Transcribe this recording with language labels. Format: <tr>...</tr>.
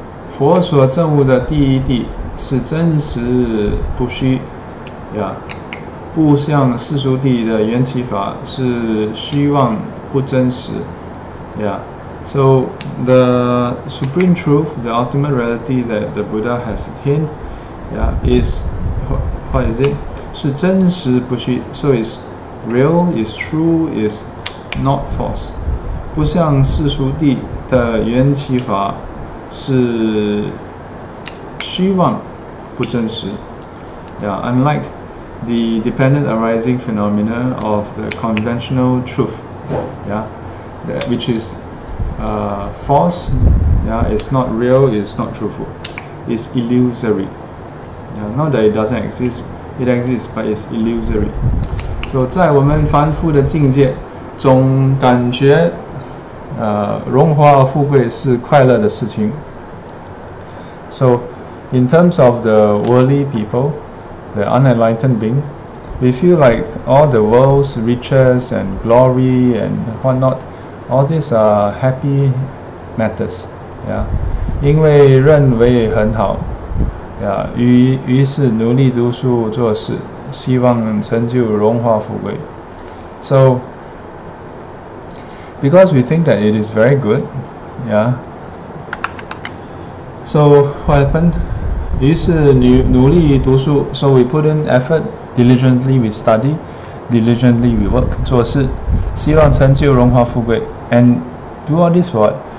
<zh>佛所证悟的第一谛是真实不虚。不像世俗谛的缘起法是虚妄不真实。</zh> <en>So the supreme truth, the ultimate reality that the Buddha has attained, is, what is it?</en> <zh>是真实不虚。</zh> <en>So it's real, it's true, it's not false.</en> <zh>不像世俗谛的缘起法是虚妄不真实。</zh> <en>Unlike the dependent arising phenomena of the conventional truth, which is false, it's not real, it's not truthful, it's illusory. Not that it doesn't exist, it exists, but it's illusory.</en> <zh>So, 在我们凡夫的境界总感觉荣华富贵是快乐的事情。</zh> <en>So, in terms of the worldly people, the unenlightened being, we feel like all the world's riches and glory and whatnot, all these are happy matters.</en> <zh>因为认为很好，于是努力读书做事，希望成就荣华富贵。</zh> <en>So,because we think that it is very good, So what happened?</en> <zh>于是努力读书</zh> <en>So we put in effort, diligently we study, diligently we work,</en> <zh>做事希望成就荣华富贵</zh> <en>And do all this what?</en>